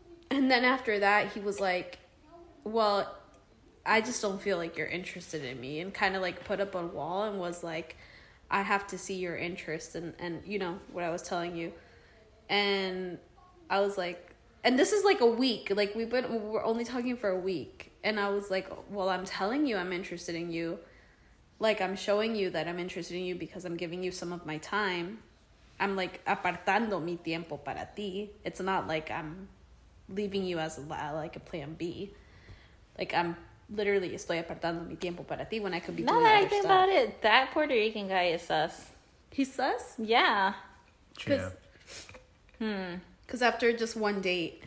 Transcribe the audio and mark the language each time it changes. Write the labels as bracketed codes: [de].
[en] And then after that, he was like, well, I just don't feel like you're interested in me, and kind of like put up a wall and was like, I have to see your interest and you know what I was telling you. And I was like, and this is like a week, like we're only talking for a week. And I was like, well, I'm telling you I'm interested in you. Like, I'm showing you that I'm interested in you because I'm giving you some of my time. I'm like [es] apartando mi tiempo para ti. [en] It's not like I'm leaving you as like a plan B. Like, I'm literally [es] estoy apartando mi tiempo para ti [en] when I could be doing other stuff. Now I think about it, that Puerto Rican guy is sus. He's sus? Yeah. Because after just one date.